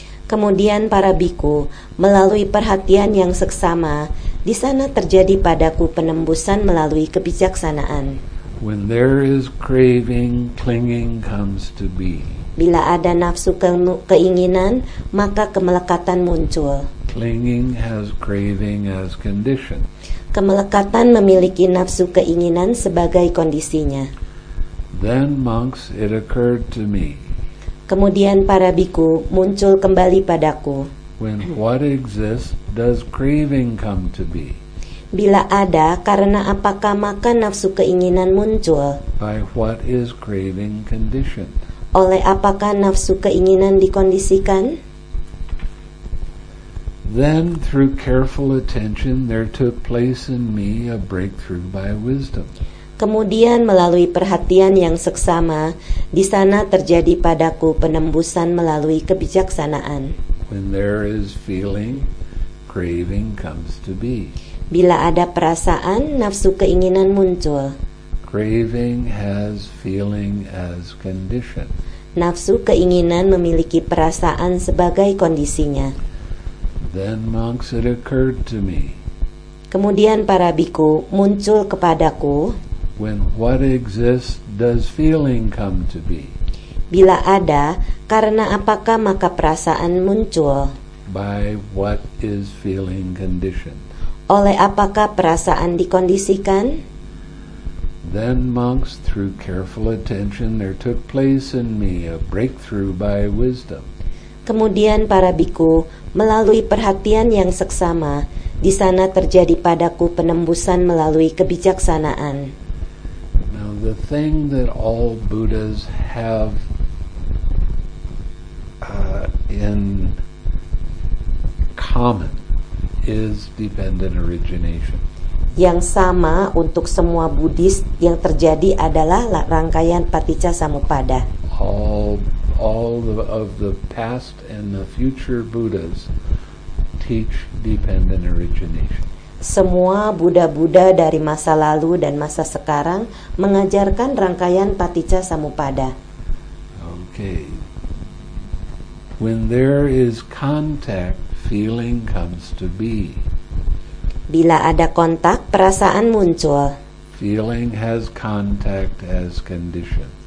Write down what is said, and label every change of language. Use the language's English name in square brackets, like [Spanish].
[Indonesian] Kemudian para bhikkhu, melalui perhatian yang seksama, di sana terjadi padaku penembusan melalui kebijaksanaan. [English] When there is craving, clinging comes to be. [Indonesian] Bila ada nafsu keinginan, maka kemelekatan muncul. [English] Clinging has craving as condition. [Indonesian] Kemelekatan memiliki nafsu keinginan sebagai kondisinya. [English] Then monks, it occurred to me. [Indonesian] Kemudian para bhikkhu muncul kembali padaku. [English] When what exists, does craving come to be? [Indonesian] Bila ada, karena apakah maka nafsu keinginan muncul? [English] By what is craving conditioned? [Indonesian] Oleh apakah nafsu keinginan dikondisikan? [English] Then, through careful attention, there took place in me a breakthrough by wisdom. [Indonesian] Kemudian melalui perhatian yang seksama, di sana terjadi padaku penembusan melalui kebijaksanaan. [English] When there is feeling, craving comes to be. [Indonesian] Bila ada perasaan, nafsu keinginan muncul. [English] Craving has feeling as condition. [Indonesian] Nafsu keinginan memiliki perasaan sebagai kondisinya. [English] Then monks, it occurred to me. [Indonesian] Kemudian para bhikkhu muncul kepadaku. [English] When what exists, does feeling come to be? [Indonesian] Bila ada, karena apakah maka perasaan muncul? [English] By what is feeling conditioned? [Indonesian] Oleh apakah perasaan dikondisikan? [English] Then monks, through careful attention, there took place in me a breakthrough by wisdom. [Indonesian] Kemudian para bhikkhu, melalui perhatian yang seksama, di sana terjadi padaku penembusan melalui kebijaksanaan. [English] Now the thing that all Buddhas have in common is dependent origination. [Indonesian] Yang sama untuk semua Buddhis yang terjadi adalah rangkaian paticca-samuppada. [English] All of the past and the future Buddhas teach dependent origination. [Indonesian] Semua Buddha-Buddha dari masa lalu dan masa sekarang mengajarkan rangkaian paticca-samuppada. [English] Okay. When there is contact, feeling comes to be. [Indonesian] Bila ada kontak, perasaan muncul. [English] Feeling has contact as condition.